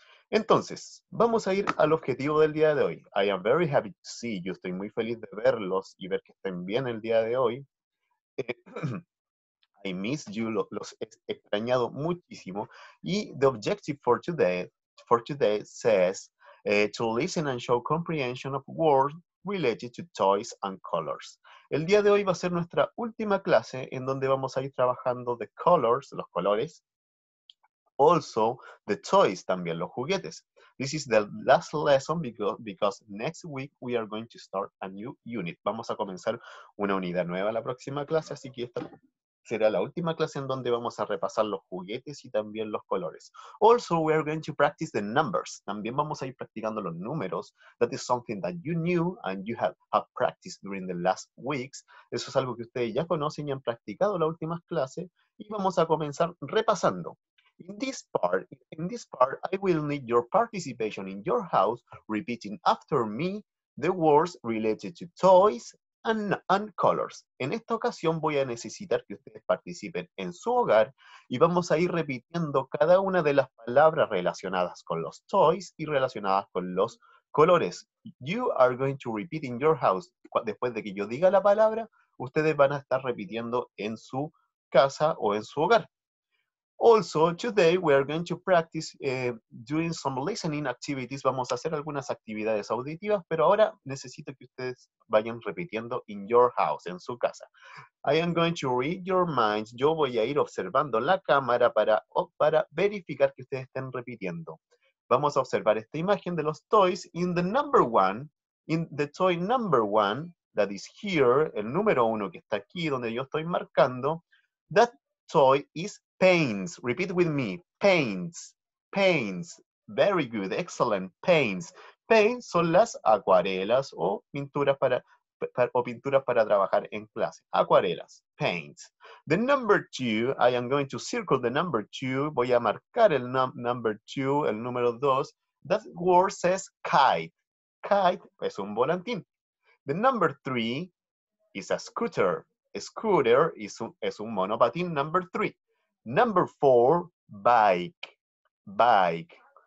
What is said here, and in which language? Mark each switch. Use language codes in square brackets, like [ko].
[es] Entonces, vamos a ir al objetivo del día de hoy. [en] I am very happy to see. [es] Yo estoy muy feliz de verlos y ver que estén bien el día de hoy. [en] I miss you. [es] Los he extrañado muchísimo. [en] Y the objective for today says to listen and show comprehension of words related to toys and colors. [es] El día de hoy va a ser nuestra última clase en donde vamos a ir trabajando [en] the colors, [es] los colores. [en] Also, the toys, [es] también los juguetes. [en] This is the last lesson because next week we are going to start a new unit. [es] Vamos a comenzar una unidad nueva la próxima clase, así que esta será la última clase en donde vamos a repasar los juguetes y también los colores. [en] Also, we are going to practice the numbers. [es] También vamos a ir practicando los números. [en] That is something that you knew and you have practiced during the last weeks. [es] Eso es algo que ustedes ya conocen y han practicado la última clase. Y vamos a comenzar repasando. [en] In this part, I will need your participation in your house, repeating after me the words related to toys and colors. [es] En esta ocasión voy a necesitar que ustedes participen en su hogar y vamos a ir repitiendo cada una de las palabras relacionadas con los toys y relacionadas con los colores. [en] You are going to repeat in your house. [es] Después de que yo diga la palabra, ustedes van a estar repitiendo en su casa o en su hogar. [en] Also, today we are going to practice doing some listening activities. [es] Vamos a hacer algunas actividades auditivas, pero ahora necesito que ustedes vayan repitiendo [en] in your house, [es] en su casa. [en] I am going to read your minds. [es] Yo voy a ir observando la cámara para verificar que ustedes estén repitiendo. Vamos a observar esta imagen de los toys [en] in the number one, in the toy number one, that is here, [es] el número uno que está aquí, donde yo estoy marcando, [en] that toy is paints. Repeat with me. Paints. Paints. Very good. Excellent. Paints. [es] Paints son las acuarelas o pinturas para trabajar en clase. Acuarelas. Paints. [en] The number two, I am going to circle the number two. [es] Voy a marcar el [en] number two, [es] el número dos. [en] That word says kite. [es] Kite es un volantín. [en] The number three is a scooter. [es] A scooter es un monopatín. [en] Number three. Number four, bike. Bike.